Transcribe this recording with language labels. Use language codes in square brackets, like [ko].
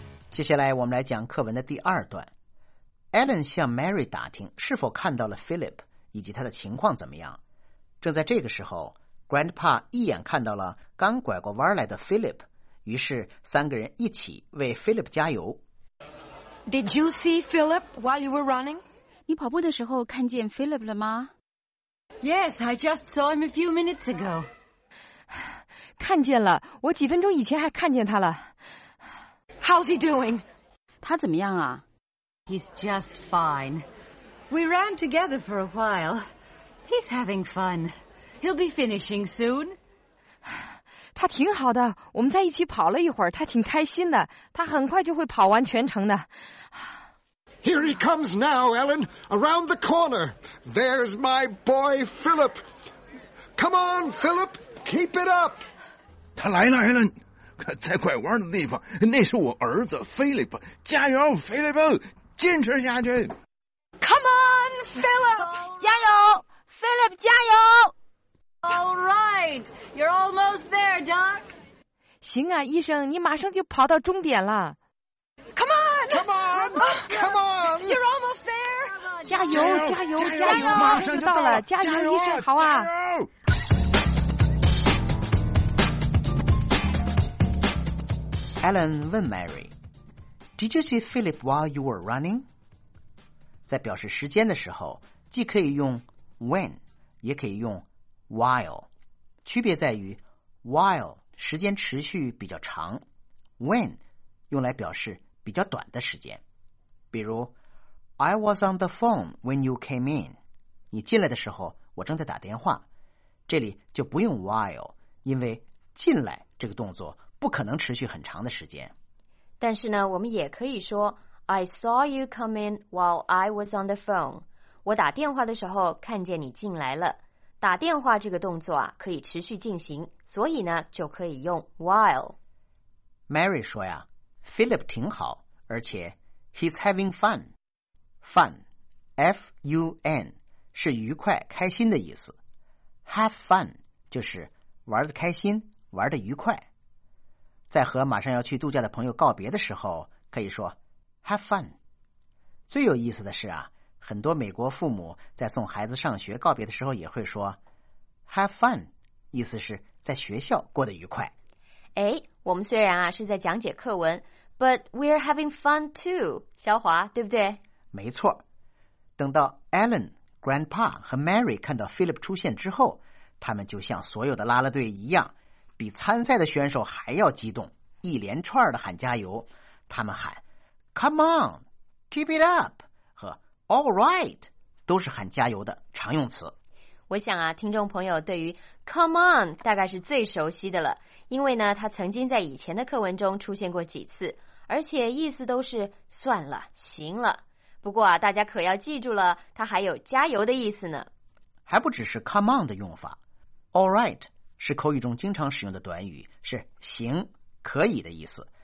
[zh] 接下来我们来讲课文的第二段。Ellen 向 Mary 打听是否看到了 Philip 以及他的情况怎么样。正在这个时候， Grandpa 一眼看到了刚拐过弯来的 Philip， 于是三个人一起为 Philip 加油。 [en] Did you see Philip while you were running? [zh] 你跑步的时候看见 Philip 了吗？ [en] Yes, I just saw him a few minutes ago. [zh] 看见了，我几分钟以前还看见他了。 [en] How's he doing? [zh] 他怎么样啊？ [en] He's just fine. We ran together for a while. He's having fun. He'll be finishing soon. [zh] 他挺好的，我们在一起跑了一会儿，他挺开心的，他很快就会跑完全程的。 [en] Here he comes now, Ellen. Around the corner. There's my boy, Philip. Come on, Philip. Keep it up. [zh] 他来了 ，Ellen。在拐弯的地方，那是我儿子 Philip。加油 ，Philip！ 坚持下去。 [en] Come on, Philip！ [zh] 加油 ，Philip！ 加油。 [en] All right. You're almost there, Doc. [zh] 行啊，医生，你马上就跑到终点了。 [en] Come on! You're almost there! [zh] 加油加油加油，马上就到了，加油医生，好啊。 [en] Ellen [zh] 问 [en] Mary, Did you see Philip while you were running? [zh] 在表示时间的时候，既可以用 when, 也可以用 while。区别在于 while 时间持续比较长， when 用来表示比较短的时间。比如 [en] I was on the phone when you came in， [zh] 你进来的时候我正在打电话。这里就不用 while， 因为进来这个动作不可能持续很长的时间。但是呢，我们也可以说 [en] I saw you come in while I was on the phone， [zh] 我打电话的时候看见你进来了。打电话这个动作啊，可以持续进行，所以呢就可以用 while。 Mary 说呀，Philip 挺好，而且 [en] he's having fun。 [zh] fun F-U-N 是愉快开心的意思， have fun 就是玩得开心，玩得愉快。在和马上要去度假的朋友告别的时候，可以说 [en] have fun。 [zh] 最有意思的是啊，很多美国父母在送孩子上学告别的时候也会说 [en] have fun， [zh] 意思是在学校过得愉快。哎，我们虽然啊是在讲解课文， [en] but we're having fun too， [zh] 肖华，对不对？没错。等到 Ellen、Grandpa 和 Mary 看到 Philip 出现之后，他们就像所有的啦啦队一样，比参赛的选手还要激动，一连串的喊加油。他们喊 [en] "Come on, keep it up" [zh] 和 [en] "All right" [zh] 都是喊加油的常用词。我想啊，听众朋友对于 [en] "Come on" [zh] 大概是最熟悉的了。因为呢，他曾经在以前的课文中出现过几次，而且意思都是算了，行了。不过啊，大家可要记住了，他还有加油的意思呢。还不只是 [en] come on [zh] 的用法， [en] all right [zh] 是口语中经常使用的短语，是行、可以的意思。